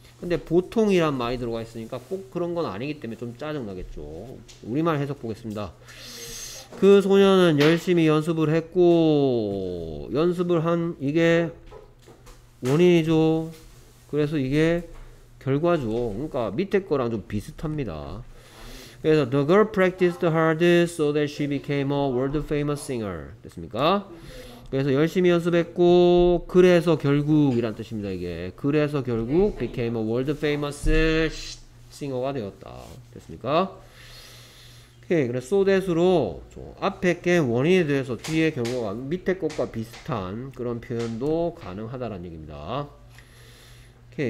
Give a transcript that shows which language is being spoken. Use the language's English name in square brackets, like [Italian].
[Korean] 근데 보통이란 말이 들어가 있으니까 꼭 그런 건 아니기 때문에 좀 짜증나겠죠. 우리말 해석 보겠습니다. 그 소녀는 열심히 연습을 했고 연습을 한 이게 원인이죠. 그래서 이게 결과죠. 그러니까 밑에 거랑 좀 비슷합니다. 그래서 [English] the girl practiced hard so that she became a world famous singer. [Korean] 됐습니까? 그래서 열심히 연습했고 그래서 결국 이란 뜻입니다. 이게 그래서 결국 [English] became a world famous singer [Korean] 가 되었다. 됐습니까? 오케이. 그래서 so that으로 앞에 게 원인에 대해서 뒤에 경우가 밑에 것과 비슷한 그런 표현도 가능하다라는 얘기입니다. 오케이.